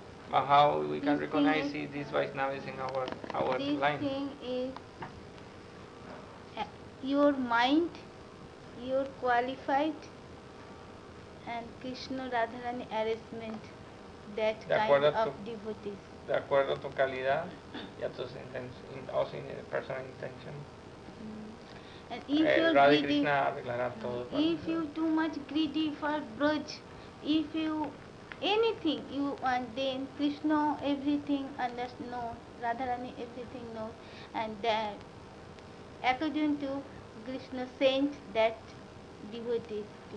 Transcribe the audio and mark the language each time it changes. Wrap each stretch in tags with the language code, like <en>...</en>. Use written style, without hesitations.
<en>But how we can recognize see this Vaishnava is in our this line? This thing is your mind, your qualified, and Krishna Radharani arrangement, that kind of devotees.</en> <es>De acuerdo a tu calidad y a tus intenciones, o sin</es> <en>personal intention.</en> <es>Radha Krishna arreglará todo.</es> <en>If you too much greedy for braj, if you anything you want, then Krishna everything understands, no, Radharani everything knows, and that according to Krishna sent that devotee to</en>